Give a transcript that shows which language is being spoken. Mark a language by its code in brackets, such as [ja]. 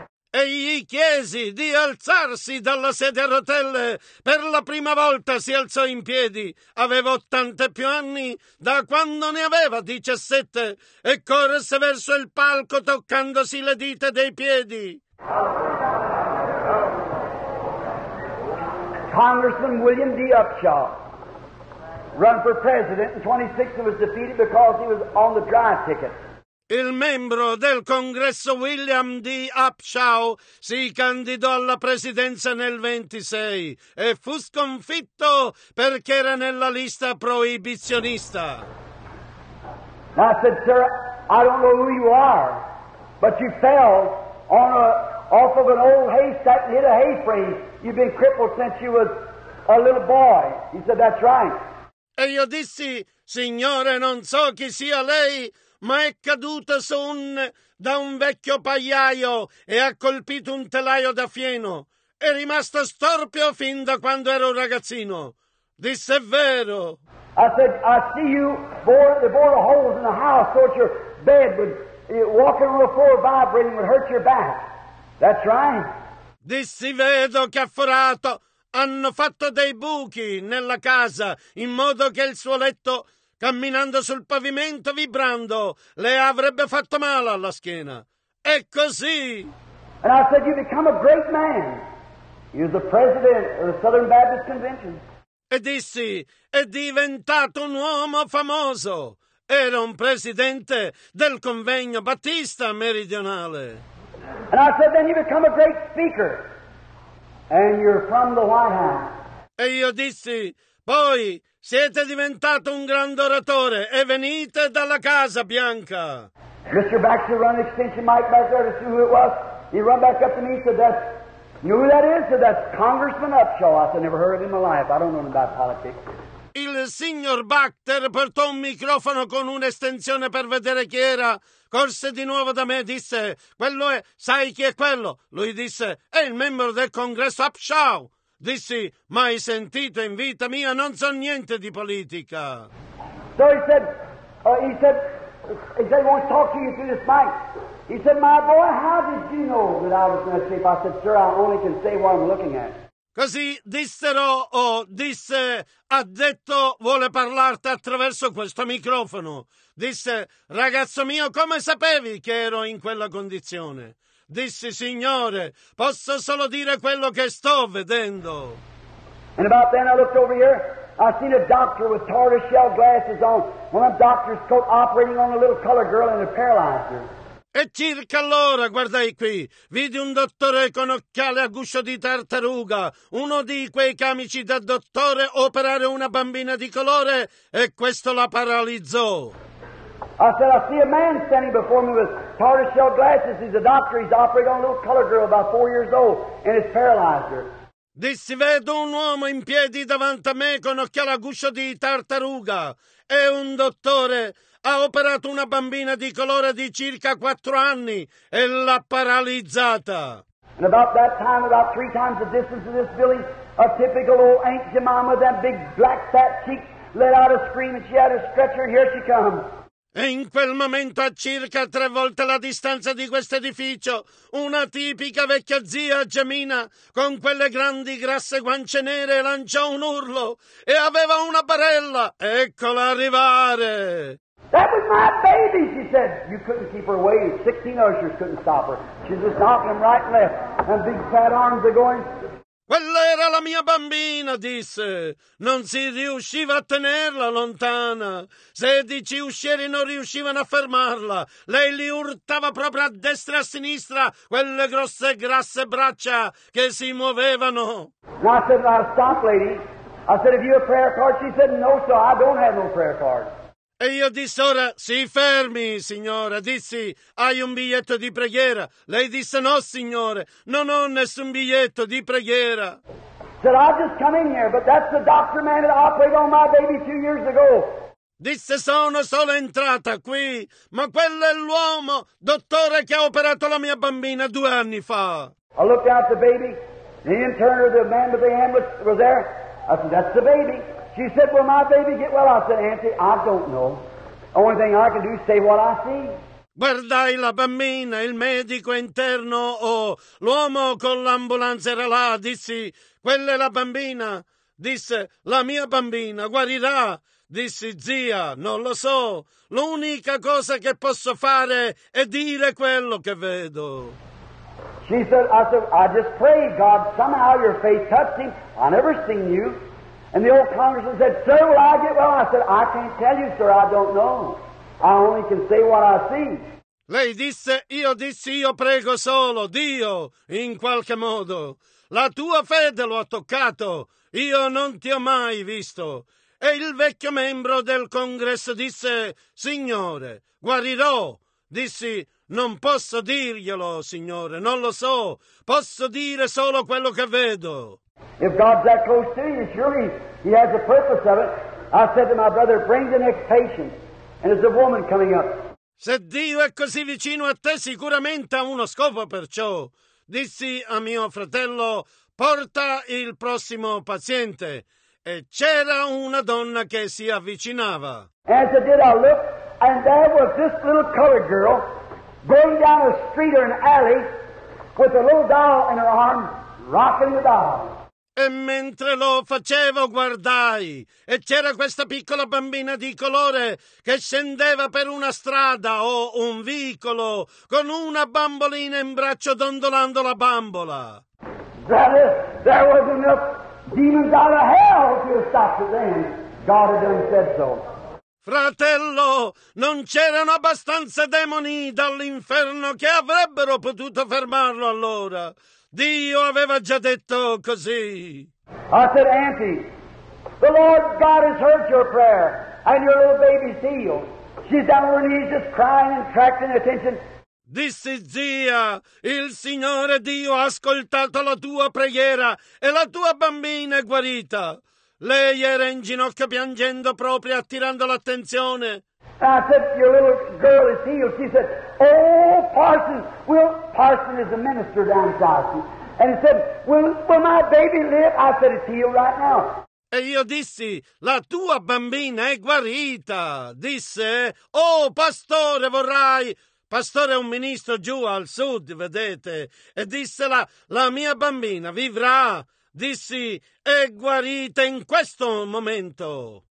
[it] E gli chiesi di alzarsi dalla sedia a rotelle. Per la prima volta si alzò in piedi. Aveva 80 e più anni da quando ne aveva 17 e corse verso il palco toccandosi le dita dei piedi. [en] Congressman William D. Upshaw run for president in 26 and was defeated because he was on the dry ticket. [it] Il membro del Congresso William D. Upshaw si candidò alla presidenza nel 26 e fu sconfitto perché era nella lista proibizionista. [en] I said, sir, I don't know who you are, but you fell off of an old haystack and hit a hay frame. You've been crippled since you was a little boy. He said, that's right. [it] E io dissi, signore, non so chi sia lei, ma è caduto da un vecchio pagliaio e ha colpito un telaio da fieno. È rimasto storpio fin da quando ero un ragazzino. Disse, è vero. [en] I said, I see you bore the holes in the house, so your bed would walking on the floor vibrating would hurt your back. That's right. [it] Dissi, vedo che ha forato. Hanno fatto dei buchi nella casa in modo che il suo letto, camminando sul pavimento vibrando, le avrebbe fatto male alla schiena. È così. [en] And I said, you become a great man. You're the president of the Southern Baptist Convention. [it] E dissi, è diventato un uomo famoso. Era un presidente del convegno battista meridionale. [en] And I said, then you become a great speaker. And you're from the White House. [it] E io dissi, poi siete diventato un grande oratore e venite dalla Casa Bianca. [en] Mr. Baxter run extension mic back there to see who it was. He run back up to me and said, that's, you know who that is? Said, that's Congressman Upshaw. I said, never heard of him in my life. I don't know about politics. [it] Il signor Bacter portò un microfono con un'estensione per vedere chi era. Corse di nuovo da me e disse, quello è, sai chi è quello? Lui disse, è il membro del congresso Upshaw. Dissi, mai sentito in vita mia, non so niente di politica. [en] So he said, he said, he said, he wants to talk to you through this mic. He said, "My boy, how did you know that I was in that shape?" I said, "Sir, I only can say what I'm looking at." [it] Così dissero, o disse, ha detto, vuole parlarti attraverso questo microfono. Disse, ragazzo mio, come sapevi che ero in quella condizione? Dissi, Signore, posso solo dire quello che sto vedendo. [en] And about then I looked over here, I seen a doctor with tortoise shell glasses on, one of the doctor's coat operating on a little colored girl and a paralyzer. [it] E circa allora, guardai qui, vidi un dottore con occhiale a guscio di tartaruga, uno di quei camici da dottore operare una bambina di colore e questo la paralizzò. [en] I said, I see a man standing before me with tortoise shell glasses. He's a doctor. He's operating on a little colored girl about 4 years old and it's paralyzed her. [it] Dissi, vedo un uomo in piedi davanti a me con occhiale a guscio di tartaruga. È un dottore. Ha operato una bambina di colore di circa 4 anni e l'ha paralizzata. [en] And about that time, about 3 times the distance of this village, a typical old Aunt Jemima, that big black fat cheek, let out a scream and she had a stretcher and here she comes. [it] E in quel momento, a circa 3 volte la distanza di questo edificio, una tipica vecchia zia Jemima, con quelle grandi grasse guance nere, lanciò un urlo e aveva una barella. Eccola arrivare! [en] That was my baby, she said. You couldn't keep her away. 16 ushers couldn't stop her. She's just knocking right and left. And big fat arms are going. [it] Quella era la mia bambina, disse. Non si riusciva a tenerla lontana. 16 uscieri non riuscivano a fermarla. Lei li urtava proprio a destra e a sinistra, quelle grosse, grasse braccia che si muovevano. [en] And I said, "Now stop, lady." I said, "Have you a prayer card?" She said, "No, sir, I don't have no prayer card." [it] E io disse, ora, si fermi, signora. Dissi, hai un biglietto di preghiera? Lei disse, no, signore, non ho nessun biglietto di preghiera. [en] Said, I'll just come in here, but that's the doctor man that operated on my baby 2 years ago. [it] Disse, sono solo entrata qui, ma quello è l'uomo, dottore, che ha operato la mia bambina 2 anni fa. [en] I looked out the baby, the intern or the man with the ambulance was there. I said, that's the baby. She said, "Will my baby get well?" I said, "Auntie, I don't know. The only thing I can do is say what I see." [it] Guardai la bambina, il medico interno o l'uomo con l'ambulanza era là. Dissi, "Quella è la bambina." Disse, "La mia bambina guarirà." Dissi, "Zia, non lo so. L'unica cosa che posso fare è dire quello che vedo." [en] She said, "I said, I just pray God somehow your faith touched him. I never seen you." And the old congressman said, "Sir, will I get well?" I said, "I can't tell you, sir, I don't know. I only can say what I see." [it] Lei disse, io dissi, io prego solo, Dio, in qualche modo. La tua fede lo ha toccato, io non ti ho mai visto. E il vecchio membro del congresso disse, "Signore, guarirò." Dissi, "Non posso dirglielo, signore, non lo so. Posso dire solo quello che vedo." [en] If God's that close to you, surely he has a purpose of it. I said to my brother, "Bring the next patient." And it's a woman coming up. [it] Se Dio è così vicino a te, sicuramente ha uno scopo perciò. Dissi a mio fratello, "Porta il prossimo paziente." E c'era una donna che si avvicinava. [en] As I did, I looked, and there was this little colored girl going down a street or an alley with a little doll in her arm, rocking the doll. [it] E mentre lo facevo guardai e c'era questa piccola bambina di colore che scendeva per una strada o un vicolo con una bambolina in braccio dondolando la bambola. [en] There was enough demons out of hell to stop the thing. God had done said so. [it] Fratello, non c'erano abbastanza demoni dall'inferno che avrebbero potuto fermarlo allora. Dio aveva già detto così. [en] I said, "Auntie, the Lord God has heard your prayer and your little baby's healed. She's down on her knees just crying and attracting attention." [it] Dissi, "Zia, il Signore Dio ha ascoltato la tua preghiera e la tua bambina è guarita." Lei era in ginocchio piangendo proprio attirando l'attenzione. [en] I said, "Your little girl is healed." She said, "Oh, Parson, will Parson is a minister down south." And he said, "Will my baby live?" I said, "It's healed right now." [it] E io dissi, "La tua bambina è guarita." Disse, "Oh, pastore, vorrai pastore e un ministro giù al sud, vedete, e disse la mia bambina vivrà, dissi, è guarita in questo momento.